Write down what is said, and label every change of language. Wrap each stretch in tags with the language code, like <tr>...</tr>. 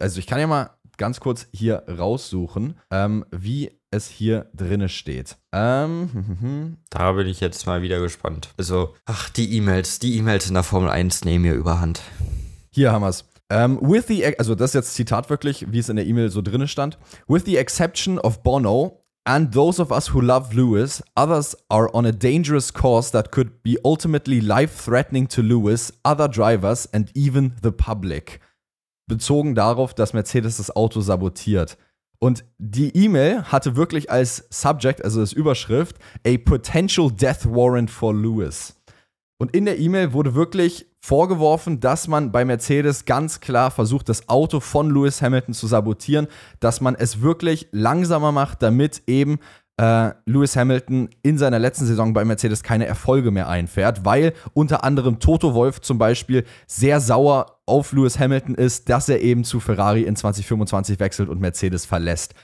<de>Also ich kann ja mal ganz kurz hier raussuchen, wie es hier drinne steht. Da bin ich jetzt mal wieder gespannt. Also, ach, die E-Mails in der Formel 1 nehmen mir überhand. Hier haben wir es. Also das ist jetzt Zitat wirklich, wie es in der E-Mail so drinne stand.</de> <en>With the exception of Bono and those of us who love Lewis, others are on a dangerous course that could be ultimately life-threatening to Lewis, other drivers and even the public.</en> <de>Bezogen darauf, dass Mercedes das Auto sabotiert. Und die E-Mail hatte wirklich als Subject, also als Überschrift,</de> <en>a potential death warrant for Lewis.</en> <de>Und in der E-Mail wurde wirklich vorgeworfen, dass man bei Mercedes ganz klar versucht, das Auto von Lewis Hamilton zu sabotieren, dass man es wirklich langsamer macht, damit eben Lewis Hamilton in seiner letzten Saison bei Mercedes keine Erfolge mehr einfährt, weil unter anderem Toto Wolff zum Beispiel sehr sauer auf Lewis Hamilton ist, dass er eben zu Ferrari in 2025 wechselt und Mercedes verlässt.</de>